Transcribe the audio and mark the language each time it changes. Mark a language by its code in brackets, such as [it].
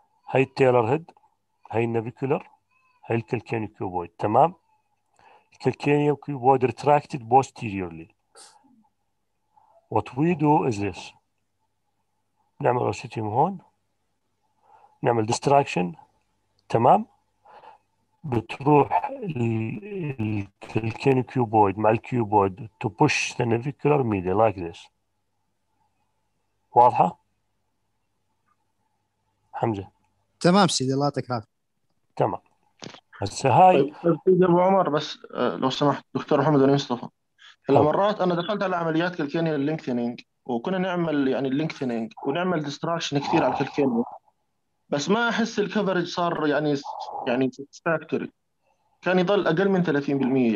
[ar] هاي التيلر هيد، هاي النابيكولر، هاي الكالكاني كيوبويد. تمام. الكالكاني كيوبويد retracted posteriorly. [en] What we do is this. [ar] نعمل اوسيتيوم هون، نعمل ديستراكشن. تمام. بتروح الكالكاني كيوبويد مع الكيوبويد [en] to push the navicular media like this. [ar] واضحة حمزة؟ تمام سيدي، الله يعطيك العافية. تمام. هسه هاي سيد ابو عمر، بس لو سمحت دكتور محمد المصطفى، المرات انا دخلت على عمليات كالكاني اللينكثينينج، وكنا نعمل يعني اللينكثينينج ونعمل ديستراكشن كثير على الكالكاني، بس ما احس الكفرج صار يعني ساتسفاكتوري، كان يضل اقل من 30%.